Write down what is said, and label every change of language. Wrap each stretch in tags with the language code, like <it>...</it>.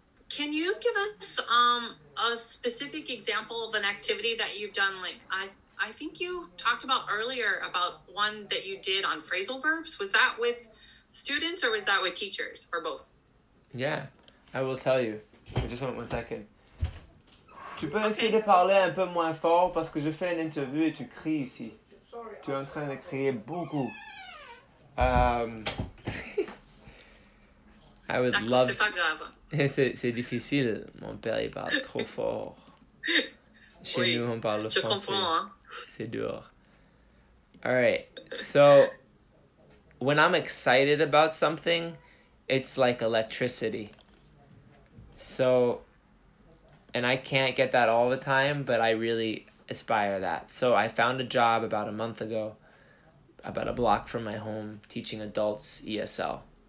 <en>Can you give us a specific example of an activity that you've done? Like, I think you talked about earlier about one that you did on phrasal verbs. Was that with students or was that with teachers or both? Yeah. I will tell you. I just want 1 second.</en> <fr>Tu peux essayer de parler un peu moins fort parce que je fais une interview et tu cries ici. Tu es en train de crier beaucoup.</fr> <en>I would love...</en> <fr>C'est difficile. Mon père, il parle trop fort. Chez oui, nous, on parle je français. Comprends, hein. C'est dur.</fr> <en>All right. So, when I'm excited about something, it's like electricity. So, and I can't get that all the time, but I really aspire that. So I found a job about a month ago, about a block from my home, teaching adults ESL.</en>